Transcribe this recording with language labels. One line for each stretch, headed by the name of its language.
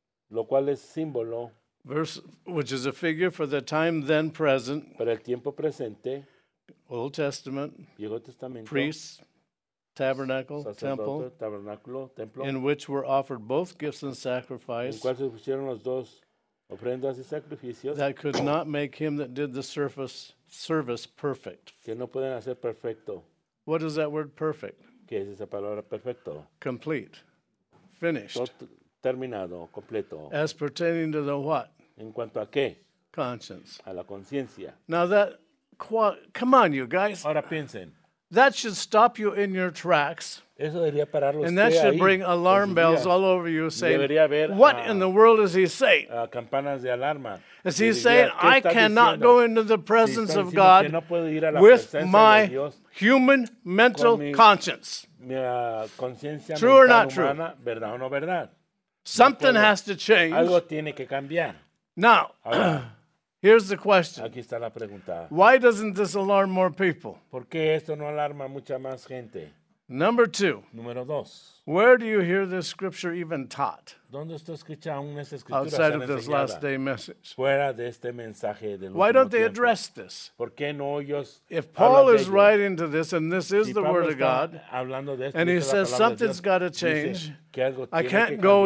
Spanish: Lo cual es símbolo.
English: Verse, which is a figure for the time then present.
Spanish: Para el tiempo presente.
English: Old Testament.
Spanish: Viejo Testamento.
English: Priests. Tabernacle, temple,
Spanish: tabernáculo, templo,
English: in which were offered both gifts and sacrifice,
Spanish: en cual se ofrecieron los dos ofrendas y sacrificios,
English: that could not make him that did the surface service perfect.
Spanish: Que no pueden hacer perfecto.
English: What is that word perfect?
Spanish: ¿Qué es esa palabra perfecto?
English: Complete, finished,
Spanish: terminado, completo.
English: As pertaining to the what?
Spanish: En cuanto a qué?
English: Conscience.
Spanish: A la conciencia.
English: Now that, come on, you guys.
Spanish: Ahora piensen.
English: That should stop you in your tracks.
Spanish: Eso debería pararlos.
English: And that should
Spanish: ahí,
English: bring alarm bells all over you saying, what in the world is he saying?
Spanish: Campanas de alarma.
English: Is he saying, I cannot
Spanish: diciendo?
English: Go into the presence of God
Spanish: no puedo ir a la
English: with my
Spanish: de Dios,
English: human mental
Spanish: con mi,
English: conscience? True or not
Spanish: humana,
English: true?
Spanish: ¿Verdad o no verdad?
English: Something no has to change.
Spanish: Algo tiene que cambiar.
English: Now, here's the question.
Spanish: Aquí está la pregunta.
English: Why doesn't this alarm more people?
Spanish: ¿Por qué esto no alarma mucha más gente?
English: Number two.
Spanish: Número dos.
English: Where do you hear this scripture even taught?
Spanish: ¿Dónde está escrita aún esa
English: escritura? Outside of this last day message.
Spanish: Fuera de este mensaje del
English: Why don't they
Spanish: tiempo?
English: Address this?
Spanish: ¿Por qué no ellos
English: if Paul is writing to this and this is
Spanish: si
English: the
Spanish: Pablo
English: word of God
Spanish: hablando de esto,
English: and he says something's got to change. I can't go